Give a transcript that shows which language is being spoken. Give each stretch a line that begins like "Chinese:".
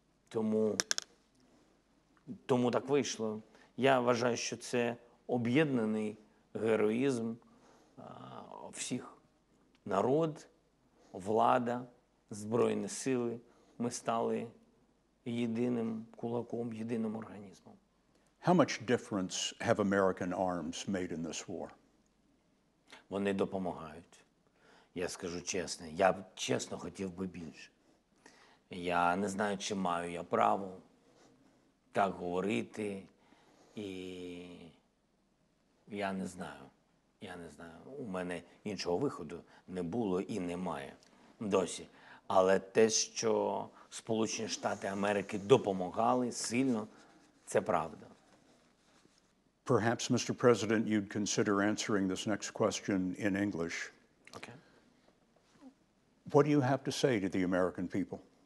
Ukrainian: Тому так вийшло. Я вважаю, що це об'єднаний героїзм всіх. Народ, влада, збройні сили. Ми стали єдиним кулаком, єдиним організмом.
English: How much difference have American arms made in this war?
Ukrainian: Вони допомагають. Я скажу чесно, я чесно хотів би більше. Я не знаю, чи маю я право так говорити. І я не знаю. Я не знаю. У мене іншого виходу не було і немає досі. Але те, що Сполучені Штати Америки допомагали сильно, це правда.
English: Perhaps, Mr. President, you'd consider answering this next question in English. Okay. What do you have to say to the American people?